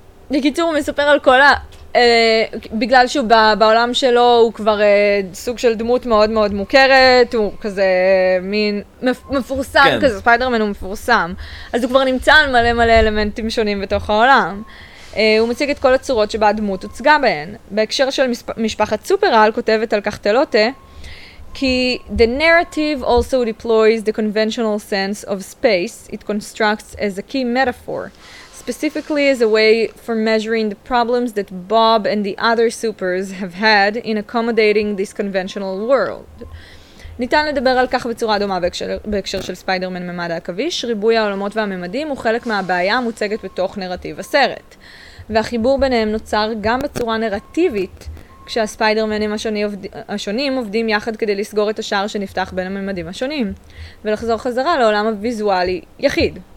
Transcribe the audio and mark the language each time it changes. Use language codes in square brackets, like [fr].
[he] בקיצור הוא מספר על כל ה... בגלל שהוא בעולם שלו הוא כבר סוג של דמות מאוד מאוד מוכרת, הוא כזה מין מפורסם, כן. כזה ספיידרמן הוא מפורסם, אז הוא כבר נמצא על מלא מלא אלמנטים שונים בתוך העולם. הוא מציג את כל הצורות שבה הדמות הוצגה בהן. [en] בהקשר של משפחת סופרל כותבת על כך תלוטה, כי the narrative also deploys the conventional sense of space it constructs as a key metaphor. Specifically as a way for measuring the problems that Bob and the other supers have had in accommodating this conventional world. [he] ניתן לדבר על כך בצורה דומה בהקשר של ספיידרמן ממד העכביש, ריבוי העולמות והממדים הוא חלק מהבעיה המוצגת בתוך נרטיב הסרט. והחיבור ביניהם נוצר גם בצורה נרטיבית, כשהספיידרמנים השונים עובדים יחד כדי לסגור את השער שנפתח בין הממדים השונים, ולחזור חזרה לעולם הוויזואלי יחיד.